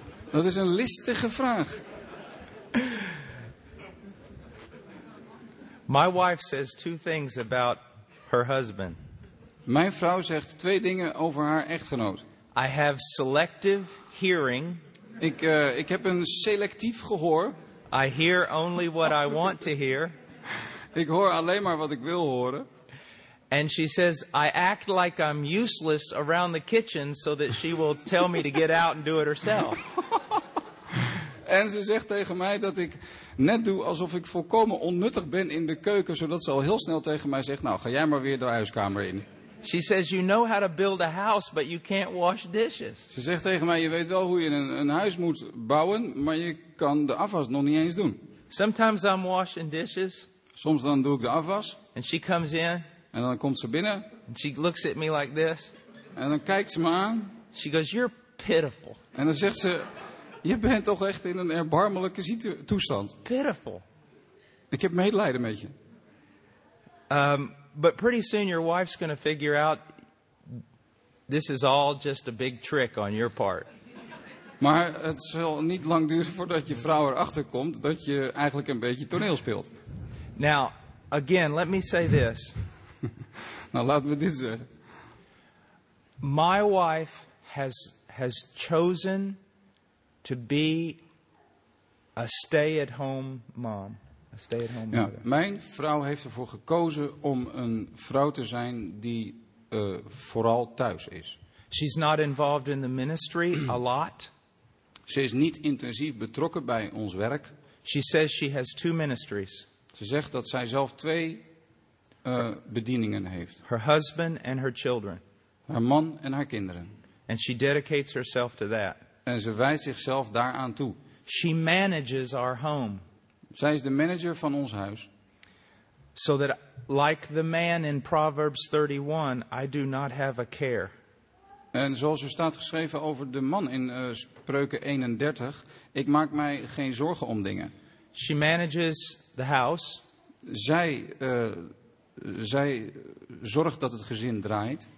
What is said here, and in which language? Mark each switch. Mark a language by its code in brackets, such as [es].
[nl] Dat is een listige vraag. [en] My wife says two things about her husband. [nl] Mijn vrouw zegt twee dingen over haar echtgenoot. [en] I have selective hearing. [nl] Ik heb een selectief gehoor. [en] I hear only what I want to hear. [nl] Ik hoor alleen maar wat ik wil horen. [en] And she says, I act like I'm useless around the kitchen so that she will tell me to get out and do it herself. [nl] En ze zegt tegen mij dat ik net doe alsof ik volkomen onnuttig ben in de keuken, zodat ze al heel snel tegen mij zegt, nou ga jij maar weer de huiskamer in. [en] She says, you know how to build a house, but you can't wash dishes. [nl] Ze zegt tegen mij, je weet wel hoe je een huis moet bouwen, maar je kan de afwas nog niet eens doen. [en] Sometimes I'm washing dishes. [nl] Soms dan doe ik de afwas. [en] And she comes in. [nl] En dan komt ze binnen. [en] And she looks at me like this. [nl] En dan kijkt ze me aan. [en] She goes, you're pitiful. [nl] En dan zegt ze, je bent toch echt in een erbarmelijke toestand. [en] Pitiful. [nl] Ik heb medelijden met je. [en] But pretty soon your wife's going to figure out this is all just a big trick on your part. [nl] Maar het zal niet lang duren voordat je vrouw erachter komt dat je eigenlijk een beetje toneel speelt. [en] Now, again, let me say this. [nl] Nou, laat me dit zeggen. [en] My wife has chosen to be a stay-at-home mom. [nl] Ja, mijn vrouw heeft ervoor gekozen om een vrouw te zijn die vooral thuis is. [en] She's not involved in the ministry a lot. [nl] Ze is niet intensief betrokken bij ons werk. [en] She says she has two ministries. [nl] Ze zegt dat zij zelf twee bedieningen heeft. [en] Her husband and her children. [nl] Haar man en haar kinderen. [en] And she dedicates herself to that. [nl] En ze wijdt zichzelf daaraan toe. [en] She manages our home. [nl] Zij is de manager van ons huis. [en] So that, like the man in Proverbs 31, I do not have a care. [nl] En zoals er staat geschreven over de man in Spreuken 31, ik maak mij geen zorgen om dingen. [en] She manages the house. [nl] Zij zorgt dat het gezin draait.